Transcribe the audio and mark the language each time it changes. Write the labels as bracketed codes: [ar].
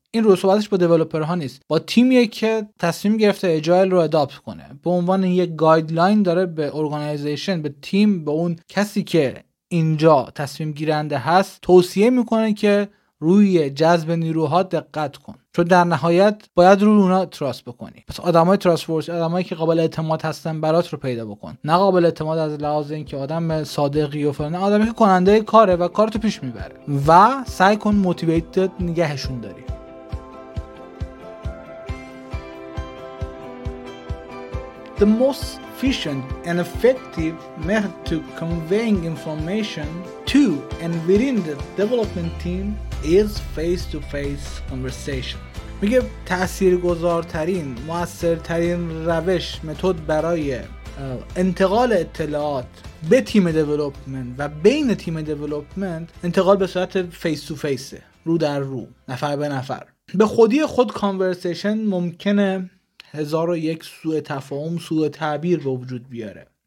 [fa] این رو صحبتش با دیولپرها نیست، با تیمیه که تصمیم گرفته اجایل رو اداپت کنه، به عنوان یک گایدلاین داره به ارگانیزیشن، به تیم، به اون کسی که اینجا تصمیم گیرنده هست توصیه میکنه که روی جذب نیروها دقت کن، چون در نهایت باید رو اونا تراست بکنی. پس آدمای تراستورث، آدمایی که قابل اعتماد هستن برات رو پیدا بکن، نه قابل اعتماد از لحاظ اینکه آدم صادقی و فلان، آدمی که کننده کاره و کارتو پیش میبره، و سعی کن موتیویتد نگهشون داری. [en] The most efficient and effective method to conveying information to and within the development team is face-to-face conversation. [fa] میگه تاثیرگذارترین، موثرترین روش، متد برای انتقال اطلاعات به تیم دیولپمنت و بین تیم دیولپمنت، انتقال به صورت فیس تو فیسه، رو در رو، نفر به نفر. به خودی خود کانورسیشن ممکنه 1001 سوء تفاهم، سوء تعبیر به وجود بیاره.